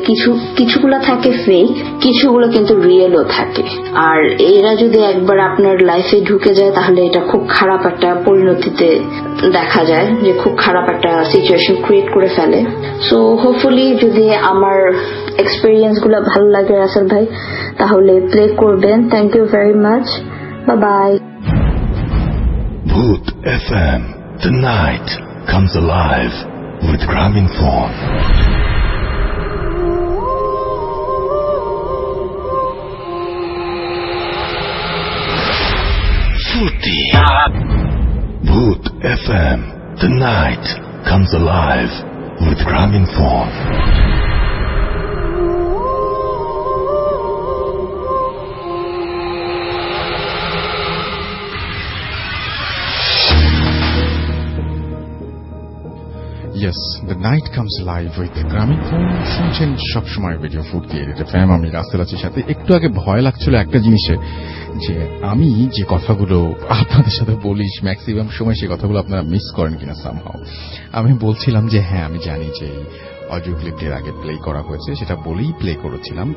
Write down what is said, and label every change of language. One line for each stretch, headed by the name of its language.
Bangla: কিছু কিছুগুলা থাকে ফেক, কিছুগুলো কিন্তু রিয়েলও থাকে, আর এরা যদি একবার আপনার লাইফে ঢুকে যায় তাহলে এটা খুব খারাপ একটা পরিণতিতে দেখা যায়, যে খুব খারাপ একটা সিচুয়েশন ক্রিয়েট করে ফেলে। সো হোপফুলি যদি আমার এক্সপিরিয়েন্স গুলা ভালো লাগে রাসেল ভাই তাহলে প্লে করবেন।
English: Thank you very much, bye bye. Boot FM, the night comes alive with Gramophone. Footy. Boot FM, the night comes alive with Gramophone. Yes, the night comes alive with Gramophone.
Bangla: শুনছেন সবসময় radio ফুর্তি FM, আমি রাসেল আছি সাথে। একটু আগে ভয় লাগছিল একটা জিনিসে, যে আমি যে কথাগুলো আপনাদের সাথে বলি ম্যাক্সিমাম সময় সেই কথাগুলো আপনারা মিস করেন কিনা সামহাও। আমি বলছিলাম যে হ্যাঁ আমি জানি যে অডিও ক্লিপটির আগে প্লে করা হয়েছে, সেটা বলেই প্লে করেছিলাম।